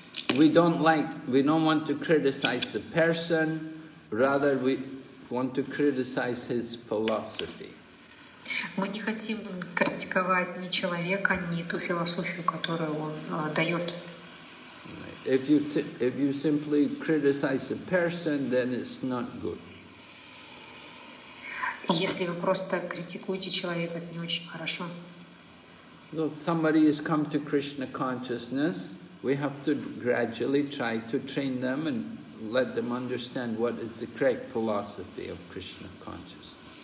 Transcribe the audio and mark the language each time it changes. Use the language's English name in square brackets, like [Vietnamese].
[English] We don't want to criticize the person, rather we want to criticize his philosophy. [Russian] Мы не хотим критиковать ни человека, ни ту философию, которую он дает. [English] If you simply criticize a person, then it's not good. [Russian] Если вы просто критикуете человека, это не очень хорошо. [English] Look, somebody has come to Krishna consciousness. We have to gradually try to train them and let them understand what is the correct philosophy of Krishna consciousness.